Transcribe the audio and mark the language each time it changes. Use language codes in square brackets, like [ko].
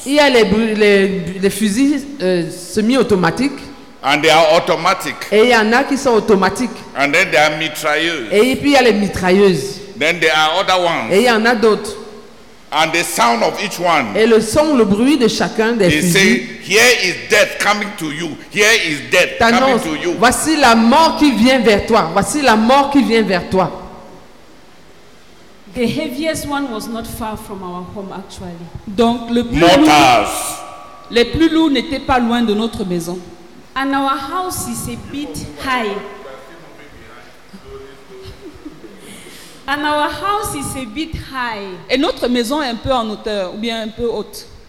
[fr] Il y a les fusils semi-automatiques. [en] And they are automatic. [fr] Et il y en a qui sont automatiques. [en] And then they are mitrailleuses. [fr] Et puis il y a les mitrailleuses. [en] Then there are other ones. [fr] Et il y en a d'autres. [en] And the sound of each one. [fr] Et le son, le bruit de chacun des fusils. [en] They say, here is death coming to you. Here is death coming to you. [fr] Voici la mort qui vient vers toi. Voici la mort qui vient vers toi. [en] The heaviest one was not far from our home, actually. [fr] Donc le plus lourd, les plus lourds n'étaient pas loin de notre maison. [en] And our house is a bit high. And our house is a bit high. [fr] Et notre maison est un peu en hauteur ou bien un peu haute.